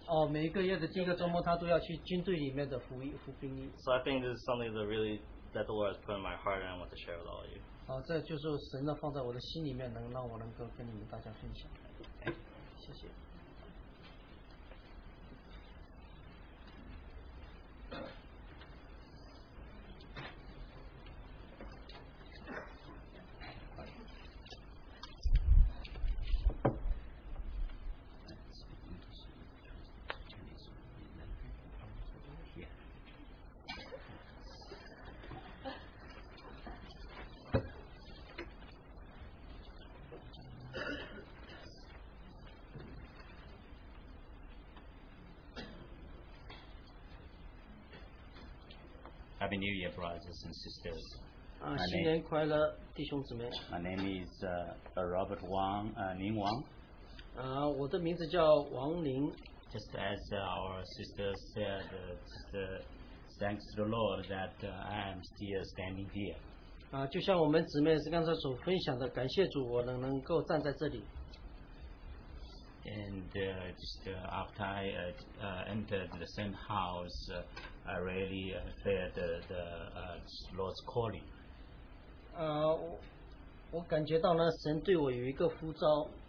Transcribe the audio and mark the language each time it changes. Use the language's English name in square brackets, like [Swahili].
[Chinese] 每个月的第一个周末，他都要去军队里面的服兵役。 [English] So I think this is something that really that the Lord has put in my heart and I want to share with all of you. [Chinese] 这就是神呢放在我的心里面，能够跟你们大家分享。 [English] Okay. [Chinese] 谢谢。 [English] Happy New Year, brothers and sisters. My name is Robert Wang, Ning Wang. [Chinese] 我的名字叫王林。 [English] Just as our sister said, thanks to the Lord that I am still standing here. [Chinese] 就像我们姊妹刚才所分享的, 感谢主, 我能够站在这里。 [English] And just after I entered the same house, I really felt the Lord's calling. [Chinese] 我感觉到呢, 神对我有一个呼召。